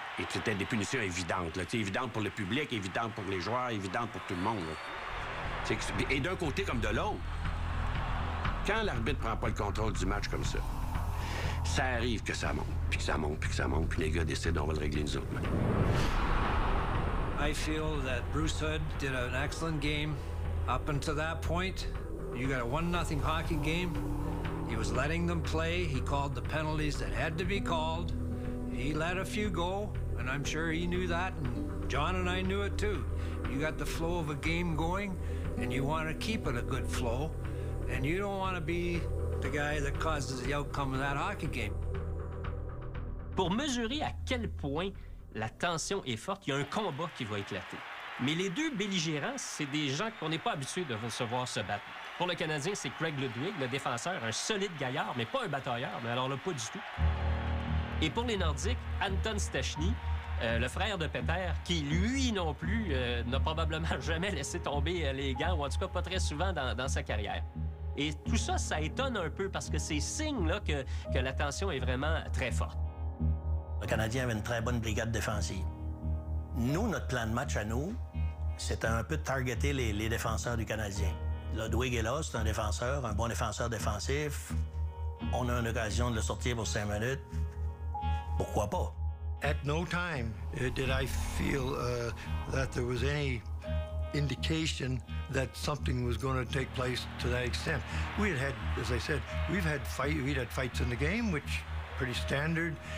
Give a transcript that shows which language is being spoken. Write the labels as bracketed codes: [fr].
[fr] Et c'était des punitions évidentes. Là. Évidentes pour le public, évidentes pour les joueurs, évidentes pour tout le monde. Et d'un côté comme de l'autre. Quand l'arbitre prend pas le contrôle du match comme ça, ça arrive que ça monte, puis que ça monte, puis que ça monte, puis les gars décident, on va le régler nous autres. [en] I feel that Bruce Hood did an excellent game up until that point. You got a 1-0 hockey game. He was letting them play. He called the penalties that had to be called. He let a few go, and I'm sure he knew that, and John and I knew it too. You got the flow of a game going, and you want to keep it a good flow. And you don't want to be the guy that causes the outcome of that hockey game. [fr] Pour mesurer à quel point la tension est forte, il y a un combat qui va éclater. Mais les deux belligérants, c'est des gens qu'on n'est pas habitué de se voir se battre. Pour le Canadien, c'est Craig Ludwig, le défenseur, un solide gaillard, mais pas un batailleur, mais alors là, pas du tout. Et pour les Nordiques, Anton Stachny, le frère de Peter, qui lui non plus n'a probablement jamais laissé tomber les gants, ou en tout cas pas très souvent dans sa carrière. Et tout ça, ça étonne un peu parce que c'est signe là, que la tension est vraiment très forte. Le Canadien avait une très bonne brigade défensive. Nous, notre plan de match à nous, c'était un peu de targeter les défenseurs du Canadien. Ludwig est là, c'est un défenseur, un bon défenseur défensif. On a une occasion de le sortir pour 5 minutes. Pourquoi pas? [en] At no time did I feel that there was any indication that something was going to take place to that extent. We had had, as I said, we'd had fights in the game, which pretty standard.